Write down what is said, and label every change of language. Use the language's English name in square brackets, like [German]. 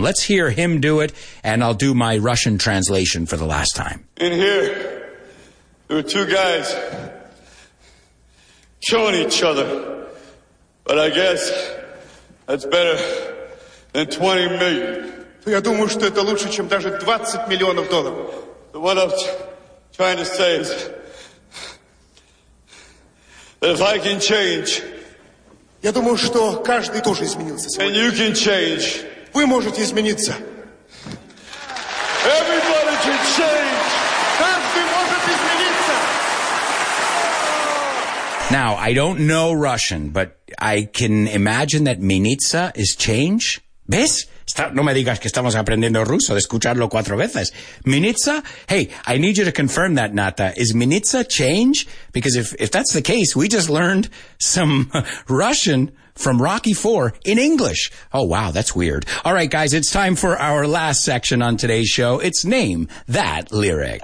[English] Let's hear him do it, and I'll do my Russian translation for the last time. In here, there were two guys killing each other, but I guess that's better than 20 million. [Russian] Я думаю, что это лучше, чем даже 20 миллионов долларов. [English] So what I'm trying to say is that if I can change, [Russian] я думаю, что каждый тоже изменился сегодня. [English] And you can change. [Russian] Вы можете измениться. [English] Everybody can change. [Russian] Каждый может измениться. [English] Now, I don't know Russian, but I can imagine that Minitsa is change. [Spanish] ¿Ves? No me digas que estamos aprendiendo ruso de escucharlo cuatro veces. [English] Minitsa? Hey, I need you to confirm that, Nata. Is Minitsa change? Because if that's the case, we just learned some Russian from Rocky IV in English. Oh, wow, that's weird. All right, guys, it's time for our last section on today's show. It's Name That Lyric.